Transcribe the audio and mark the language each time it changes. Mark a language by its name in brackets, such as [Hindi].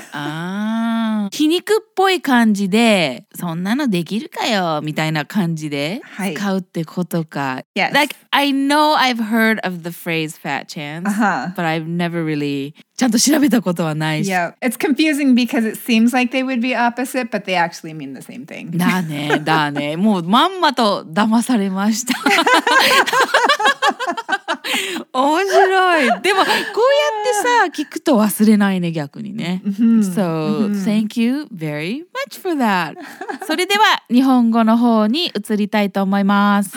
[Japanese] ああ、皮肉っぽい感じで、そんなのできるかよみたいな感じで使うってことか。 [English] Yes. Like, I know I've heard of the phrase fat chance, uh-huh. but I've never really... [Japanese] ちゃんと調べたことはないし。 [English] Yeah, it's confusing because it seems like they would be opposite, but they actually mean the same thing. [Japanese] だね、だね。もうまんまと騙されました。面白い。でもこうやってさ、聞くと忘れないね、逆にね。 Mm-hmm. [English] So, mm-hmm. thank you very much for that. [Japanese] それでは、日本語の方に移りたいと思います。